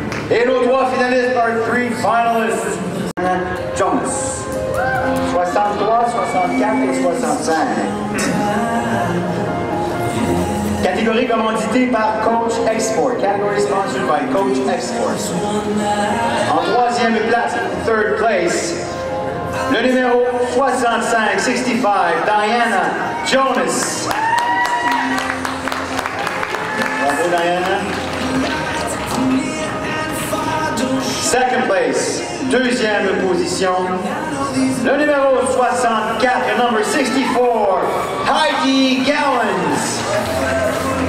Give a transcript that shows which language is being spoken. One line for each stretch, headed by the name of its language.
French: Et l'on doit finaliser par
English: three finalists.
French: Thomas. 63, 64 et 65. Catégorie commanditée par Coach Export.
English: Category sponsored by Coach Export.
French: En troisième place,
English: third place,
French: le numéro 65, 65, Diana Jonas. Bravo, Diana.
English: Second place,
French: deuxième position, le numéro 64,
English: number 64,
French: Heidi Gowans.